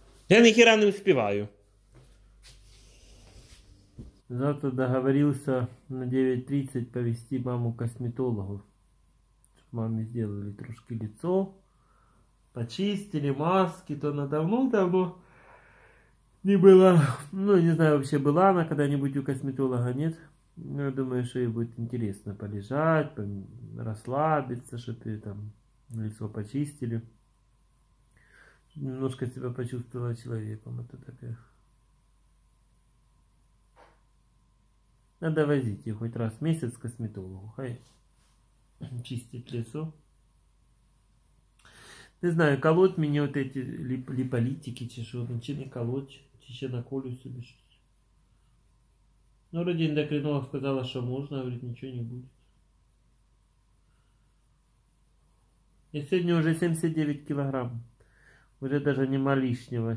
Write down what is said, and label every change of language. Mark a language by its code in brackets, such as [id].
[uk] Я ніхіра не успіваю. Завтра договорився на 9:30 повезти маму к косметологу. Щоб мамі зробили трошки лицо. [ru] Почистили маски, то она давно-давно не была, ну не знаю, вообще была она когда-нибудь у косметолога, нет. Но я думаю, что ей будет интересно полежать, расслабиться, чтобы там лицо почистили. Немножко себя почувствовала человеком, это такая. Надо возить ее хоть раз в месяц к косметологу, хай чистит лицо. [uk] Не знаю, колоть мені от ці ліполітики, чи що, чи не колоть, чи ще наколю собі щось. Ну, вроді ендокринолог сказала, що можна, а говорить, нічого не буде. Я сьогодні вже 79 кілограм. Вже навіть нема лишнього.